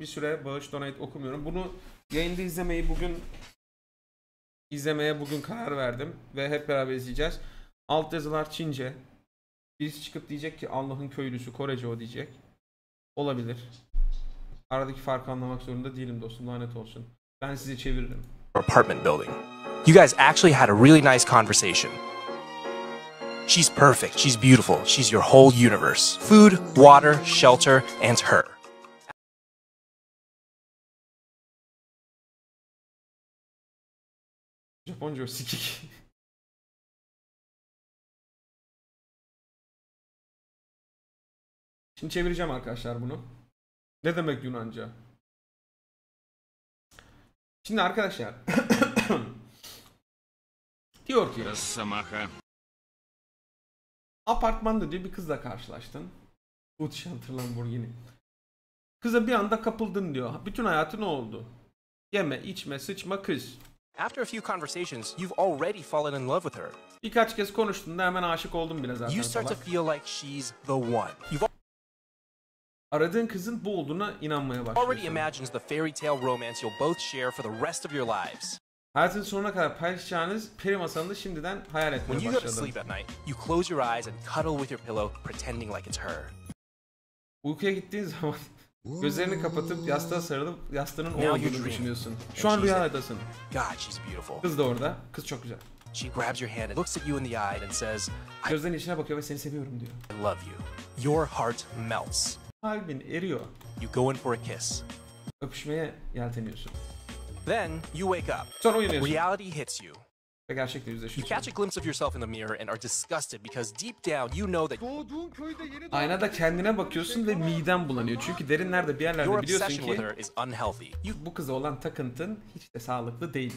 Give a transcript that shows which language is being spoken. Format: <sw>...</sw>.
<tr>Bir süre bağış donate okumuyorum. Bunu yayında izlemeye bugün karar verdim ve hep beraber izleyeceğiz. Alt yazılar Çince. Birisi çıkıp diyecek ki Allah'ın köylüsü Korece o diyecek. Olabilir. Aradaki farkı anlamak zorunda değilim dostum, lanet olsun. Ben sizi çeviririm.</tr> <en>Apartment building. You guys actually had a really nice conversation. She's perfect. She's beautiful. She's your whole universe. Food, water, shelter, and her.</en> <tr>Japonca sikik. Şimdi çevireceğim arkadaşlar bunu. Ne demek Yunanca? Şimdi arkadaşlar diyor ki Samaha. Apartmanda diyor bir kızla karşılaştın. Utşantır Lamborghini. Kıza bir anda kapıldın diyor. Bütün hayatı ne oldu? Yeme, içme, sıçma kız.</tr> <en>After a few conversations, you've already fallen in love with her.</en> <tr>Birkaç kez konuştun da hemen aşık oldum bile zaten.</tr> <en>You start to feel like she's the one.</en> <tr>Aradığın kızın bu olduğuna inanmaya başlıyorsun.</tr> <en>Already imagines the fairy tale romance you'll both share for the rest of your lives.</en> <tr>Hayatın sonuna kadar paylaşacağınız peri masalını da şimdiden hayal etmeye</tr> <en>When you</en> <tr>başladım.</tr> <en>Go to sleep at night, you close your eyes and cuddle with your pillow, pretending like it's her.</en> <tr>Uykuya gittiğin zaman gözlerini kapatıp yastığa sarılıp yastığının o olduğunu düşünüyorsun. Şu an rüyadasın.</tr> <en>God, she's beautiful.</en> <tr>Kız da orada. Kız çok güzel.</tr> <en>She grabs your hand and looks at you in the eye and says,</en> <tr>Gözlerinin içine bakıyor ve seni seviyorum diyor.</tr> <en>I love you. Your heart melts.</en> <tr>Kalbin eriyor.</tr> <en>You go in for a kiss.</en> <tr>Öpüşmeye yelteniyorsun.</tr> <en>Then you wake up.</en> <tr>Sonra uyanıyorsun.</tr> <en>Reality hits you.</en> <tr>Ve gerçekle yüzleşiyorsun.</tr> <en>You catch a glimpse of yourself in the mirror and are disgusted because deep down you know that</en> <tr>doğduğun köyde yeni doğdun. Aynada kendine bakıyorsun ve miden bulanıyor. Çünkü derinlerde bir yerlerde biliyorsun ki bu kıza olan takıntın hiç de sağlıklı değil.</tr>